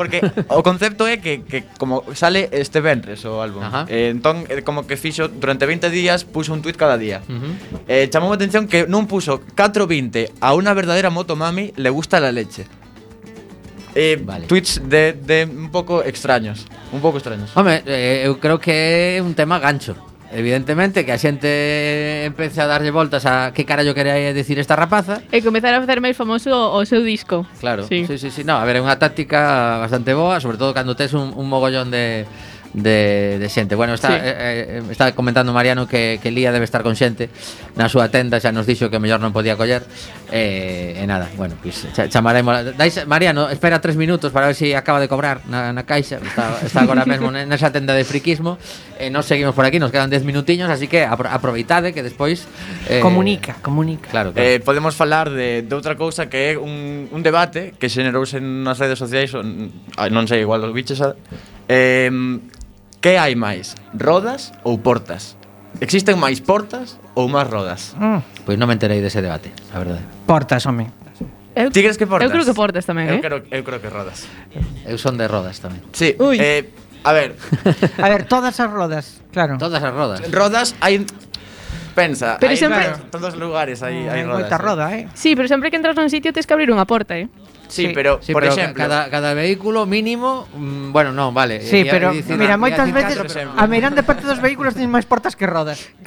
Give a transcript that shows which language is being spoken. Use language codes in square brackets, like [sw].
[gl] Porque o concepto es que como sale este vendres o álbum. Entonces, como que fixo durante 20 días, puso un tweet cada día. Uh-huh. Chamoume a atención que non puso [es] 4.20 a una verdadera motomami le gusta la leche. [gl] Vale. [es] Tweets de un poco extraños. Un poco extraños. [gl] Hombre, eu creo que é un tema gancho. Evidentemente, que a xente empece a darlle voltas a que carallo quería decir esta rapaza. E comezar a facer máis famoso o seu disco. Claro, sí. No, a ver, é unha táctica bastante boa, sobre todo cando tes un mogollón de xente. Bueno, está comentando Mariano que Lía debe estar con xente na súa tenda, xa nos dixo que mellor non podía coller. Nada, bueno, pues chamaremos. Mariano, espera 3 minutos para ver si acaba de cobrar na caixa. Está agora mesmo nesa tenda de friquismo. Nos seguimos por aquí, nos quedan 10 minutiños, así que aproveitade que despois comunica. Claro. Podemos falar de outra cousa que é un debate que xenerouse nas redes sociais, non sei, igual os biches a... que hai máis, rodas ou portas? Existen máis portas ou máis rodas? Pois non me enterei dese debate, a verdade. Portas, home. Ti crees que portas? Eu creo que portas tamén, Eu creo que rodas. Eu son de rodas tamén. Sí. Uy. A ver, todas as rodas, claro. Todas as rodas. Rodas hai... Pensa, pero sempre... todos os lugares hai rodas. Moita roda, eh? Sí, pero sempre que entras nun sitio tens que abrir unha porta, Sí, pero sí, por pero exemplo, cada vehículo mínimo, bueno, non, vale. Sí, pero dicir, mira, moitas veces a meirande parte dos vehículos ten máis portas que rodas.